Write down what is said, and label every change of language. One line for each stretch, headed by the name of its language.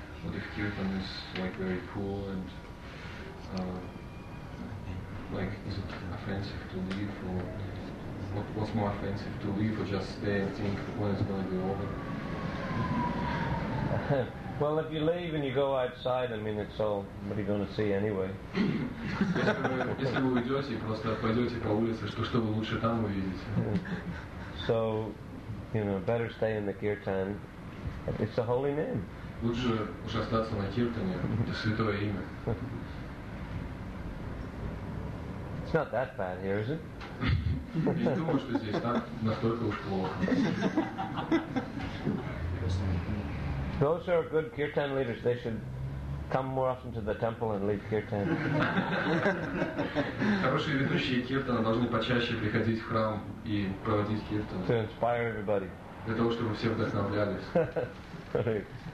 English: What if kirtan is like very cool and like, is it offensive to leave, or what's more offensive, to leave or just stay and think when it's going to be over? Well, if you leave and you go outside, I mean, it's all, what are you going to see anyway?
Russian: Если вы уйдете и просто пойдете по улице, что вы лучше там увидите?
English: So, you know, better stay in the kirtan. It's a holy name.
Russian: Лучше уж остаться на киртане, это святое имя.
English: It's not that bad here, is it?
Russian: Я не думаю, что здесь так настолько уж плохо.
English: Those who are good kirtan leaders, they should come more often to the temple and lead kirtan.
Russian: Хорошие ведущие киртана должны почаще приходить в храм и проводить киртан.
English: To inspire everybody.
Russian: Для того, чтобы все вдохновлялись.